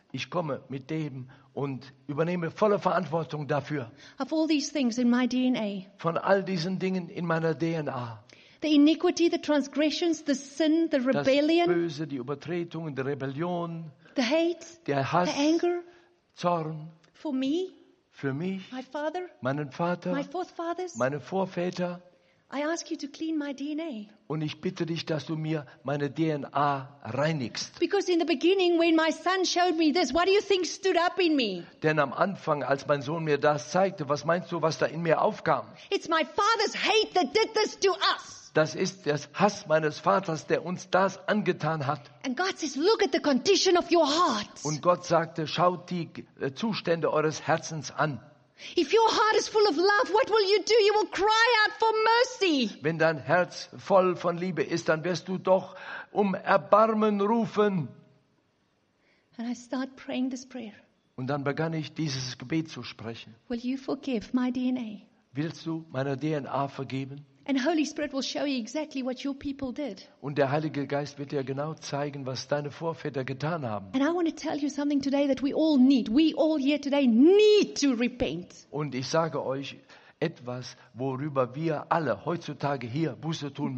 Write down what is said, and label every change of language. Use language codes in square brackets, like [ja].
[de] Ich komme mit dem und übernehme volle Verantwortung dafür. [en] Of all these things in my DNA. [de] Von all diesen Dingen in meiner DNA. [en] The iniquity, the transgressions, the sin, the rebellion. [de] Das Böse, die Übertretung, die Rebellion. [en] The hate. [de] Der Hass. [en] The anger. [de] Zorn. [en] For me. [de] Für mich. [en] My father. [de] Meinen Vater. [en] My forefathers. [de] Meine Vorväter. [en] I ask you to clean my DNA. [de] Und ich bitte dich, dass du mir meine DNA reinigst. [en] Because in the beginning when my son showed me this, what do you think stood up in me? [de] Denn am Anfang, als mein Sohn mir das zeigte, was meinst du, was da in mir aufkam? [en] It's my father's hate that did this to us. [de] Das ist der Hass meines Vaters, der uns das angetan hat. [en] And God says, look at the condition of your heart. [de] Und Gott sagte, schaut die Zustände eures Herzens an. [en] If your heart is full of love, what will you do? You will cry out for mercy. [de] Wenn dein Herz voll von Liebe ist, dann wirst du doch um Erbarmen rufen. [en] And I start praying this prayer. [de] Und dann begann ich dieses Gebet zu sprechen. [en] Will you forgive my DNA? [de] Willst du meiner DNA vergeben? [en] And Holy Spirit will show you exactly what your people did. [de] Und der Heilige Geist wird dir genau zeigen, was deine Vorväter getan haben. [en] And I want to tell you something today that we all need. We all here today need to repent. [de] Und ich sage euch etwas, worüber wir alle heutzutage hier Buße tun müssen.